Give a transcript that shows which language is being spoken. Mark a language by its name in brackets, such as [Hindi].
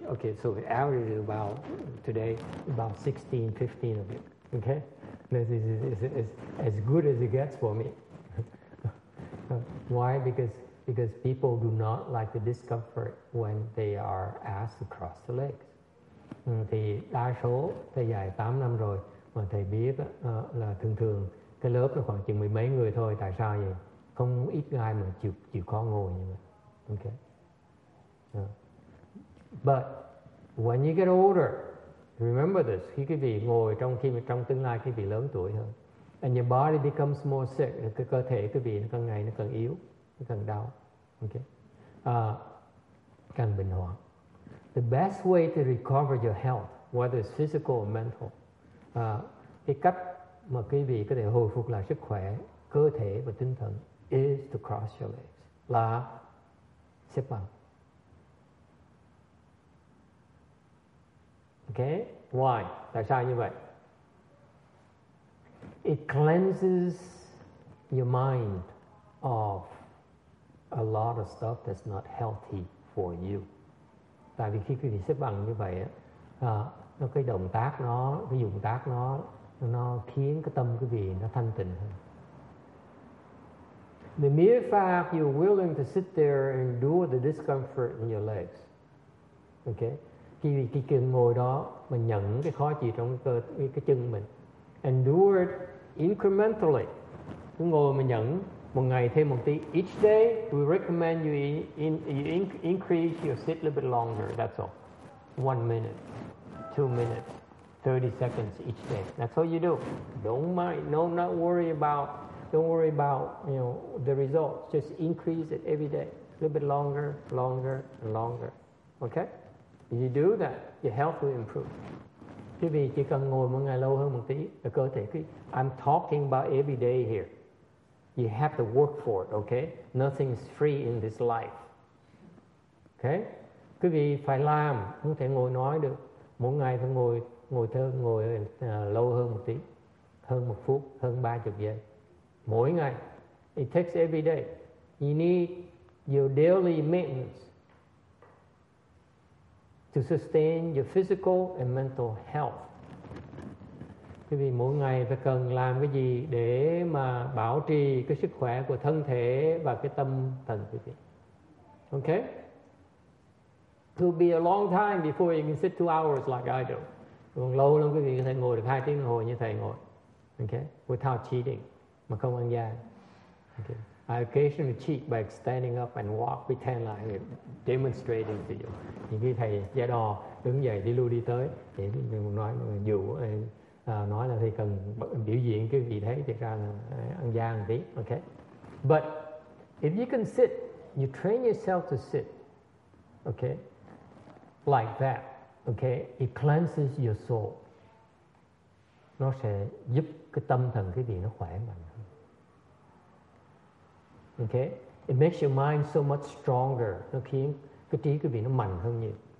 [English] Okay, so the average is about, today, about 16, 15 of it. Okay? This is as good as it gets for me. Why? Because people do not like the discomfort when they are asked to cross the legs. [Vietnamese] Thì đa số thầy dạy 8 năm rồi mà thầy biết là thường thường cái lớp là khoảng chừng mười mấy người thôi. Tại sao vậy? Không ít ai mà chịu khó ngồi như vậy. [English] Okay. But when you get older, remember this, [Vietnamese] khi quý vị ngồi trong tương lai, quý vị lớn tuổi hơn. [English] And your body becomes more sick. [Vietnamese] Cái cơ thể quý vị nó càng ngày nó càng yếu, nó càng đau. [English] Okay. [Vietnamese] Càng bệnh hoạn. [English] The best way to recover your health, whether it's physical or mental, [Vietnamese] cái cách mà quý vị có thể hồi phục lại sức khỏe, cơ thể và tinh thần, [English] is to cross your legs. [Vietnamese] Là xếp bằng. [English] Okay, why? [Vietnamese] Tại sao như vậy? [English] It cleanses your mind of a lot of stuff that's not healthy for you. [Vietnamese] Tại vì khi quý vị xếp bằng như vậy, nó cái động tác nó, cái dụng tác nó khiến cái tâm quý vị nó thanh tịnh hơn. [English] The mere fact you're willing to sit there and endure the discomfort in your legs, okay? [Vietnamese] Khi cần ngồi đó mà nhận cái khó chịu trong cái chân mình, [English] endure it incrementally, [Vietnamese] cứ ngồi mà nhận một ngày thêm một tí. [English] Each day we recommend you increase your sit a little bit longer. That's all. 1 minute, 2 minutes, 30 seconds each day. That's all you do. Don't worry about you know the results. Just increase it every day, a little bit longer, longer, and longer. Okay. You do that, your health will improve. [Vietnamese] Quý vị chỉ cần ngồi một ngày lâu hơn một tí là cơ thể cứ. [English] I'm talking about every day here. You have to work for it, okay? Nothing is free in this life. Okay? [Vietnamese] Quý vị phải làm, không thể ngồi nói được. Mỗi ngày phải ngồi lâu hơn một tí, hơn một phút, hơn 30 giây. Mỗi ngày. [English] It takes every day. You need your daily maintenance. to sustain your physical and mental health. [Vietnamese] Quý vị mỗi ngày phải cần làm cái gì để mà bảo trì cái sức khỏe của thân thể và cái tâm thần quý vị. Okay? [English] It will be a long time before you can sit 2 hours like I do. [Vietnamese] Còn lâu lắm quý vị có thể ngồi được 2 tiếng đồng hồ như thầy ngồi. Okay? [English] Without cheating, [Vietnamese] mà không ăn gian. [English] Okay? I occasionally cheat by standing up and walk, pretend like I'm demonstrating to you. [Vietnamese] Những cái thầy giả đò đứng dậy đi lui đi tới, để mình nói dụ, nói là thầy cần biểu diễn cái vị thế, thì ra là ăn gian một tí. [English] Okay? But if you can sit, you train yourself to sit, okay, like that, okay, it cleanses your soul. [Vietnamese] Nó sẽ giúp cái tâm thần cái gì nó khỏe mạnh. [English] Okay, it makes your mind so much stronger. [Vietnamese] Nó khiến cái trí cái gì nó mạnh hơn nhiều.